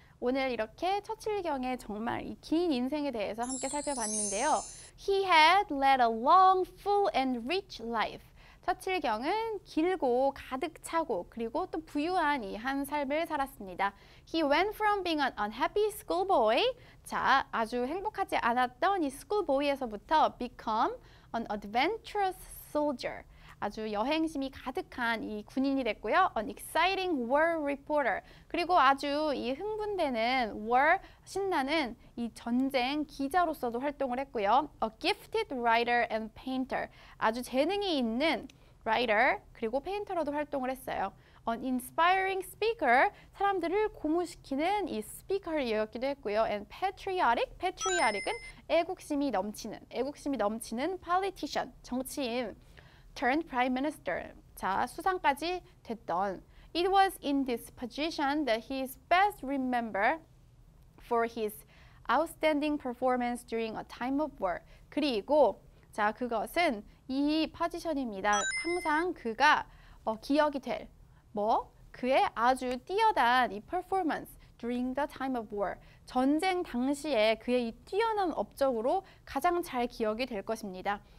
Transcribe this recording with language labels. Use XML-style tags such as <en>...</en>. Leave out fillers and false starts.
<ko>오늘 이렇게 처칠경의 정말 이 긴 인생에 대해서 함께 살펴봤는데요.</ko> <en>He had led a long, full and rich life.</en> <ko>처칠경은 길고 가득 차고 그리고 또 부유한 이 한 삶을 살았습니다.</ko> <en>He went from being an unhappy schoolboy.</en> <ko>자, 아주 행복하지 않았던 이 schoolboy에서부터</ko> <en>become an adventurous soldier.</en> <ko>아주 여행심이 가득한 이 군인이 됐고요.</ko> <en>An exciting war reporter.</en> <ko>그리고 아주 이 흥분되는 war, 신나는 이 전쟁 기자로서도 활동을 했고요.</ko> <en>A gifted writer and painter.</en> <ko>아주 재능이 있는 writer 그리고 painter로도 활동을 했어요.</ko> <en>An inspiring speaker.</en> <ko>사람들을 고무시키는 이 speaker이었기도 했고요.</ko> <en>And patriotic.</en> <ko>Patriotic은 애국심이 넘치는, 애국심이 넘치는 politician, 정치인.</ko> <en>Turned prime minister.</en> <ko>자, 수상까지 됐던.</ko> <en>It was in this position that he is best remembered for his outstanding performance during a time of war.</en> <ko>그리고 자, 그것은 이 포지션입니다. 항상 그가 기억이 될 뭐 그의 아주 뛰어난 이</ko> <en>performance during the time of war</en> <ko>전쟁 당시에 그의 이 뛰어난 업적으로 가장 잘 기억이 될 것입니다.</ko>